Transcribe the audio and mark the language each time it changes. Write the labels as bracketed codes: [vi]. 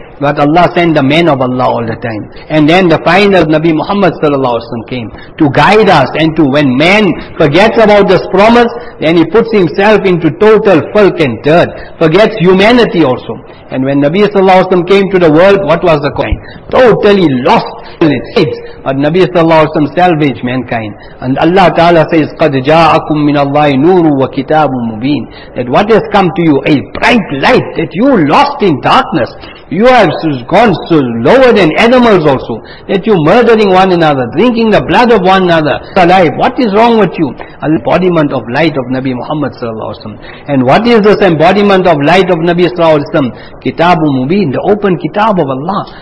[en] But Allah sent the men of Allah all the time. And then the final Nabi Muhammad sallallahu alaihi wasallam came to guide us and to when man forgets about this promise, then he puts himself into total filth and dirt, forgets humanity also. And when Nabi sallallahu alaihi wasallam came to the world, what was the coin? Totally lost in its heads. But Nabi sallallahu alaihi wasallam salvaged mankind. And Allah ta'ala says, [ar] قَدْ جَاءَكُمْ مِنَ اللَّهِ نُورٌ وَكِتَابٌ مُبِينٌ. [en] That what has come to you, a bright light that you lost in darkness. You have gone so lower than animals also. That you murdering one another, drinking the blood of one another. Alive, what is wrong with you? An embodiment of light of Nabi Muhammad sallallahu alaihi wasallam. And what is this embodiment of light of Nabi sallallahu alaihi wasallam? Kitabu Mubin, the open Kitab of Allah.